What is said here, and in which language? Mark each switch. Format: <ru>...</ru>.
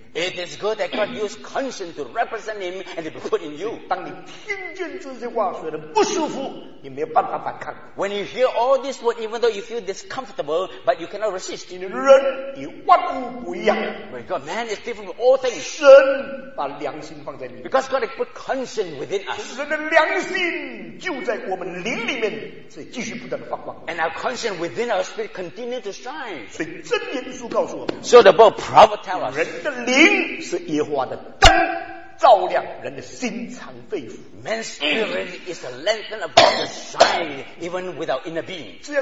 <en>It is good that God used conscience to represent him and to put in you.</en> <zh>当你听见这些话说得不舒服，你没有办法反抗。</zh> <en>When you hear all this word, even though you feel discomfortable, but you cannot resist.</en> <zh>人与万物不一样。</zh> <en>My God, man is different from all things.</en> <zh>神把良心放在里面。</zh> <en>Because God has put conscience within us.</en> <zh>人的良心就在我们灵里面，所以继续不断地发光。</zh> <en>And our conscience within our spirit continues to shine.</en> <zh>所以真言书告诉我们。</zh> <en>So the book of Proverbs tells us.</en> <zh>人的灵是耶和华的灯。照亮人的心肠肺腑。</zh> <en>Man's spirit is a lantern about to shine even with our inner being.</en>